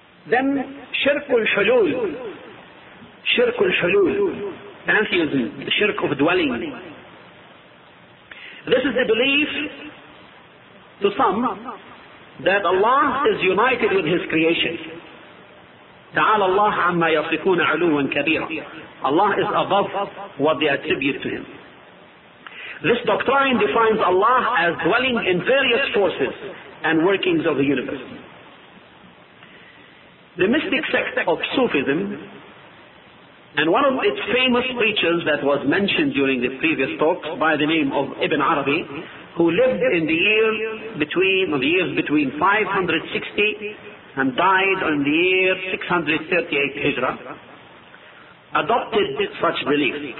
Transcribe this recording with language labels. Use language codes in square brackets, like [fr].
[en] Then شرك الحلول, شرك الحلول, pantheism, the shirk of dwelling. This is the belief to some that Allah is united with His creation. [ar] تعالى الله عما يصفون علوا كبيرا. [en] Allah is above what they attribute to Him. This doctrine defines Allah as dwelling in various forces and workings of the universe. The mystic sect of Sufism, and one of its famous preachers that was mentioned during the previous talks by the name of Ibn Arabi, who lived in the year between, or the years between 560 and died in the year 638 Hijra, adopted such belief.